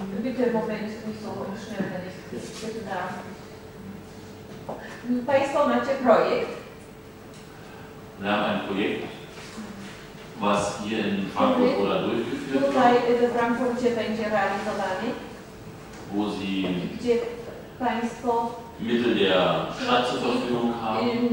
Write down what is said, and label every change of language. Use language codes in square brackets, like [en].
[de] Bitte, Moment, nicht so schnell, wenn ich bitte darf. [pl] Państwo macie Projekt. [de] Wir haben ein Projekt, was hier in Frankfurt oder durchgeführt wird. [pl] Tutaj w Frankfurcie będzie realizowany. [de] Wo Sie [pl] gdzie Państwo [de] Mittel der Stadt zur Verfügung haben.